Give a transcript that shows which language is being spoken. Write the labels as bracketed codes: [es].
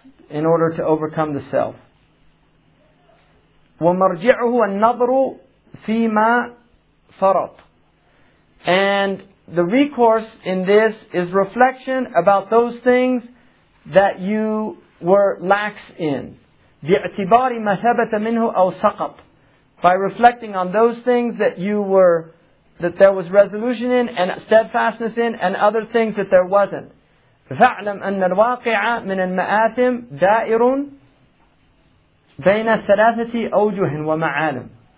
[en] In order to overcome the self. [ar] وَمَرْجِعُهُ النَّظْرُ فِي مَا فَرَطْ. [en] And the recourse in this is reflection about those things that you were lax in. [ar] بِاعْتِبَارِ مَا ثَبَتَ مِنْهُ أَوْ سَقَطْ. [en] By reflecting on those things that you were, that there was resolution in and steadfastness in and other things that there wasn't. [ar] فَعْلَمْ أَنَّ الْوَاقِعَ مِنَ الْمَآثِمْ دَائِرٌ بَيْنَ ثَلَاثَةِ أَوْجُهٍ وَمَعَالِمٍ.